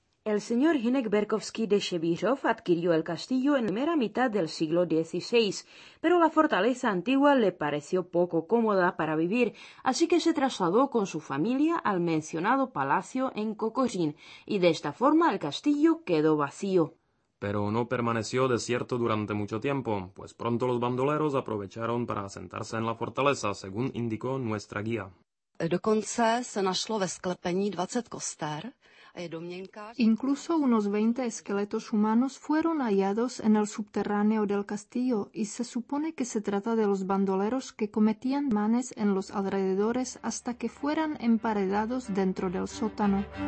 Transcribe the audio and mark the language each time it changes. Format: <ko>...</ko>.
<es>El señor Hinek Berkovský de Šebířov adquirió el castillo en primera mitad del siglo XVI, pero la fortaleza antigua le pareció poco cómoda para vivir, así que se trasladó con su familia al mencionado palacio en Kokořín, y de esta forma el castillo quedó vacío. Pero no permaneció desierto durante mucho tiempo, pues pronto los bandoleros aprovecharon para asentarse en la fortaleza, según indicó nuestra guía.</es> <cs>Dokonce se našlo ve sklepení 20 koster.</cs> <es>Incluso unos 20 esqueletos humanos fueron hallados en el subterráneo del castillo y se supone que se trata de los bandoleros que cometían manes en los alrededores hasta que fueran emparedados dentro del sótano.</es>